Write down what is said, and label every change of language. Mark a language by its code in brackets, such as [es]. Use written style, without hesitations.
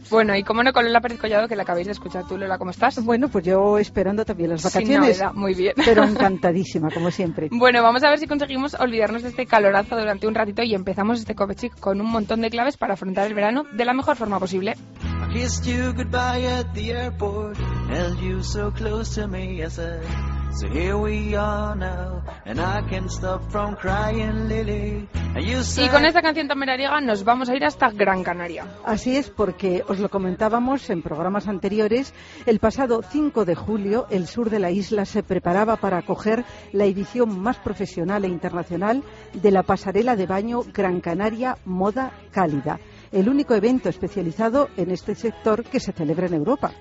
[es] Bueno, y cómo no, con Lola Pérez Collado, que la acabáis de escuchar tú, Lola. ¿Cómo estás? Bueno, pues yo esperando también las vacaciones. Sin novedad, muy bien. Pero encantadísima, como siempre. Bueno, vamos a ver si conseguimos olvidarnos de este calorazo durante un ratito y empezamos este COPE CHIC con un montón de claves para afrontar el verano de la mejor forma posible. [en] Kissed you goodbye at the airport, held you so close to me, I said, so here we are now, and I can't stop from crying, Lily. [es] Y con esta canción tan veraniega nos vamos a ir hasta Gran Canaria. Así es, porque os lo comentábamos en programas anteriores, el pasado 5 de julio el sur de la isla se preparaba para acoger la edición más profesional e internacional de la pasarela de baño Gran Canaria Moda Cálida, el único evento especializado en este sector que se celebra en Europa.